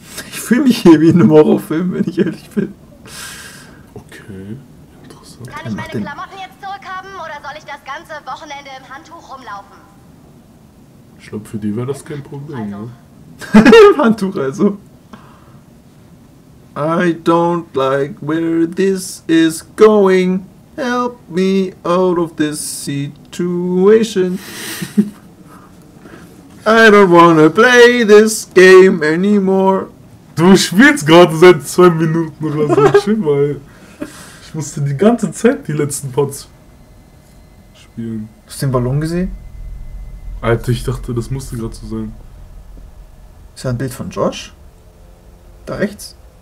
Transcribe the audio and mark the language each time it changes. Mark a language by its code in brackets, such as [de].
[de] Ich fühle mich hier wie in einem Horrorfilm, wenn ich ehrlich bin. Okay, interessant. Kann ich meine Klamotten jetzt das ganze Wochenende im Handtuch rumlaufen. Ich glaube, für die wäre das kein Problem, ne? Im Handtuch also. [en] I don't like where this is going. Help me out of this situation. I don't wanna play this game anymore. [de] Du spielst gerade seit 2 Minuten oder so. Schön, weil ich musste die ganze Zeit die letzten Pots... Hast du den Ballon gesehen? Alter, ich dachte, das musste gerade so sein. Ist ja ein Bild von Josh. Da rechts.